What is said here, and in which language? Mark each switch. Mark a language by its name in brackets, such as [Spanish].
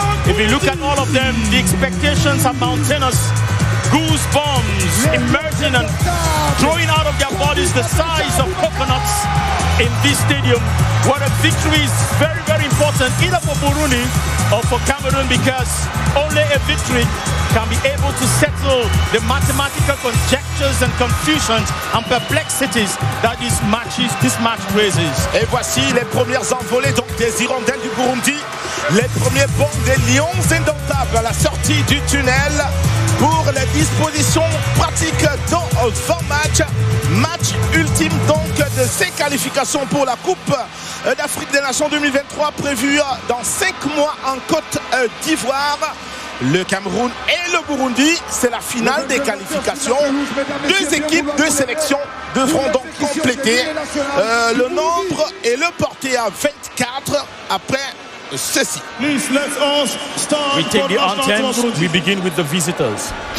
[English] If you look at all of them, the expectations are mountainous. Goosebumps emerging and throwing out of their bodies the size of coconuts in this stadium. What a victory is very, very important, either for Burundi or for Cameroon, because only a victory can be able to settle the mathematical conjectures and confusions and perplexities that this match raises. [French] Et voici les premières envolées donc des hirondelles du Burundi, les premiers bombes des Lions Indomptables à la sortie du tunnel pour les dispositions pratiques dans 20 matchs. Match ultime donc de ces qualifications pour la Coupe d'Afrique des Nations 2023 prévue dans 5 mois en Côte d'Ivoire. Le Cameroun et le Burundi, c'est la finale des qualifications. Deux équipes, deux sélections devront donc compléter le nombre et le porter à 24 après ceci. [English] We take the anthem, we begin with the visitors.